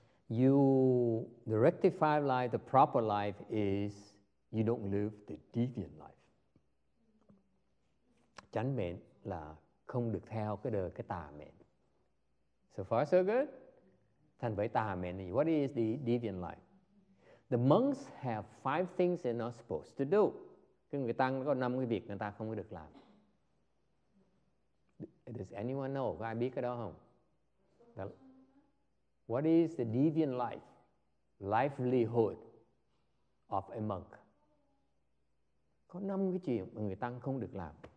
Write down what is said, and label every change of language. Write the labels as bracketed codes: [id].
[en] You, the rectified life, the proper life is you don't live the deviant life. [vi] Chánh mền là không được theo cái đời cái tà mền. [en] So far, so good. [vi] Thành vậy tà mền thì [en] what is the deviant life? The monks have five things they're not supposed to do. [vi] Cái người tăng có năm cái việc người ta không có được làm. [en] Does anyone know? [vi] Có ai biết cái đó không? [en] What is the deviant life, livelihood of a monk? [vi] Có năm cái chuyện mà người tăng không được làm.